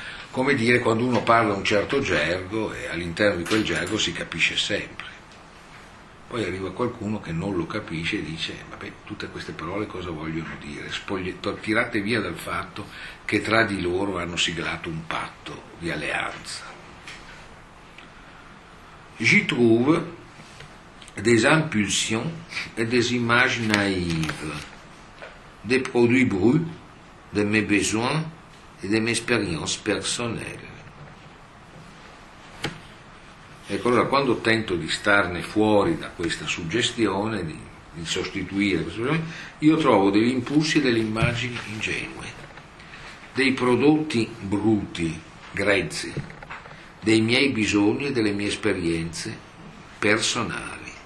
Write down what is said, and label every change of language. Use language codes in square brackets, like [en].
[it] Come dire, quando uno parla un certo gergo e all'interno di quel gergo si capisce sempre. Poi arriva qualcuno che non lo capisce e dice, vabbè, tutte queste parole cosa vogliono dire? Tirate via dal fatto che tra di loro hanno siglato un patto di alleanza. [fr] J'y trouve des impulsions et des images naïves, des produits bruts, de mes besoins et de mes expériences personnelles. [it] Ecco, allora, quando tento di starne fuori da questa suggestione, di sostituire questa suggestione, io trovo degli impulsi e delle immagini ingenue, dei prodotti brutti, grezzi, dei miei bisogni e delle mie esperienze personali.